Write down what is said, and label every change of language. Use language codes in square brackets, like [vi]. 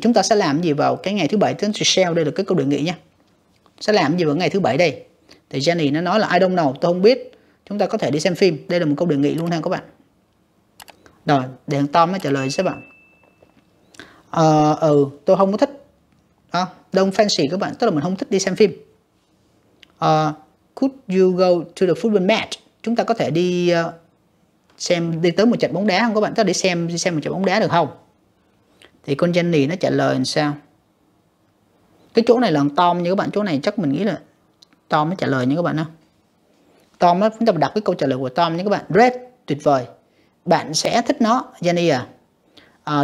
[vi] Chúng ta sẽ làm gì vào cái ngày thứ bảy? Tính sale đây là cái câu đề nghị nha. Sẽ làm gì vào ngày thứ bảy đây? Thì Jenny nó nói là [en] I don't know, [vi] tôi không biết. Chúng ta có thể đi xem phim. Đây là một câu đề nghị luôn ha các bạn. Rồi, để Tom mới trả lời các bạn. Tôi không có thích. [en] Don't fancy [vi] các bạn, tức là mình không thích đi xem phim. [en] Could you go to the football match? [vi] Chúng ta có thể đi xem, đi tới một trận bóng đá không các bạn? Tức là đi xem một trận bóng đá được không? Thì con Jenny nó trả lời làm sao? Cái chỗ này là Tom nha các bạn, chỗ này chắc mình nghĩ là Tom mới trả lời nha các bạn ha. Tom, chúng ta đọc cái câu trả lời của Tom nha các bạn. Red, tuyệt vời. Bạn sẽ thích nó, Jenny à.